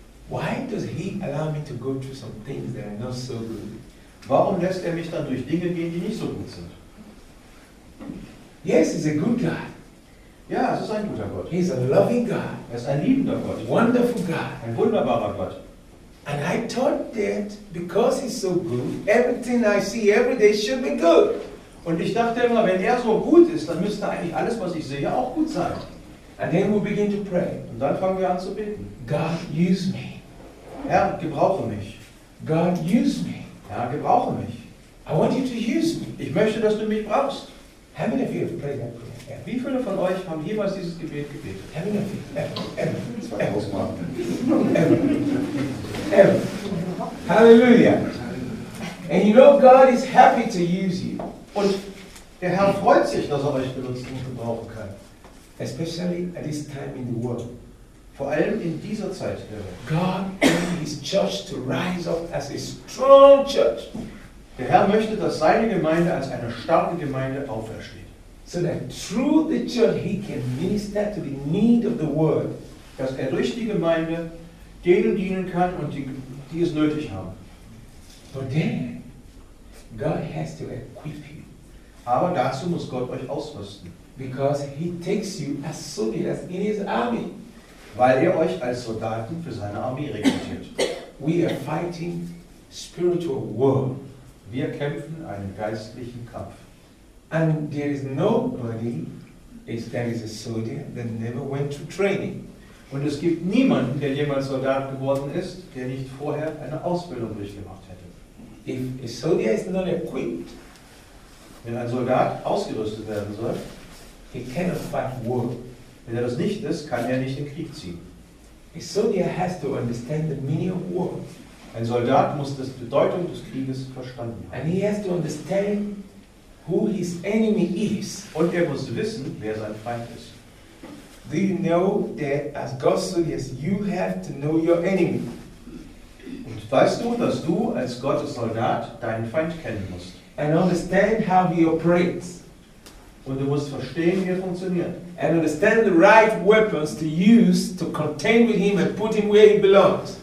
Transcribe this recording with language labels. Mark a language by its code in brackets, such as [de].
[en] why does He allow me to go through some things that are not so good? [de] Warum lässt er mich dann durch Dinge gehen, die nicht so gut sind? [en] Yes, He's a good God. [de] Ja, es ist ein guter Gott. [en] He's a loving God. [de] Er ist ein liebender Gott. [en] Wonderful God. [de] Ein wunderbarer Gott. [en] And I thought that because he's so good, everything I see every day should be good. [de] Und ich dachte immer, wenn er so gut ist, dann müsste eigentlich alles, was ich sehe, auch gut sein. [en] And then we begin to pray. [de] Und dann fangen wir an zu beten. [en] God, use me. [de] Herr, gebrauche mich. [en] God, use me. [de] Herr, gebrauche mich. [en] I want you to use me. [de] Ich möchte, dass du mich brauchst. [en] How many of you have prayed that prayer? [de] Wie viele von euch haben jemals dieses Gebet gebetet? [en] How many of you? Hallelujah. And you know God is happy to use you. [de] Und der Herr freut sich, dass er euch benutzen und gebrauchen kann. [en] Especially at this time in the world. [de] Vor allem in dieser Zeit. [en] God wants his church to rise up as a strong church. [de] Der Herr möchte, dass seine Gemeinde als eine starke Gemeinde aufersteht. [en] So that through the church he can minister to the need of the world. [de] Dass er durch die Gemeinde denen dienen kann und die es nötig haben. [en] But then, God has to equip you. [de] Aber dazu muss Gott euch ausrüsten. [en] Because he takes you as soldiers in his army. [de] Weil er euch als Soldaten für seine Armee rekrutiert. [en] We are fighting spiritual war. [de] Wir kämpfen einen geistlichen Kampf. [en] And there is nobody that is a soldier that never went to training. [de] Und es gibt niemanden, der jemals Soldat geworden ist, der nicht vorher eine Ausbildung durchgemacht hätte. [en] If a soldier is not equipped, [de] wenn ein Soldat ausgerüstet werden soll, [en] he cannot fight war. [de] Wenn er das nicht ist, kann er nicht in Krieg ziehen. [en] A soldier has to understand the meaning of war. [de] Ein Soldat muss die Bedeutung des Krieges verstanden haben. [en] And he has to understand who his enemy is. [de] Und er muss wissen, wer sein Feind ist. [en] Do you know that as God's soldiers, you have to know your enemy? [de] Und weißt du, dass du als Gottes Soldat deinen Feind kennen musst? [en] And understand how he operates. [de] Und du musst verstehen, wie er funktioniert. [en] And understand the right weapons to use to contain with him and put him where he belongs.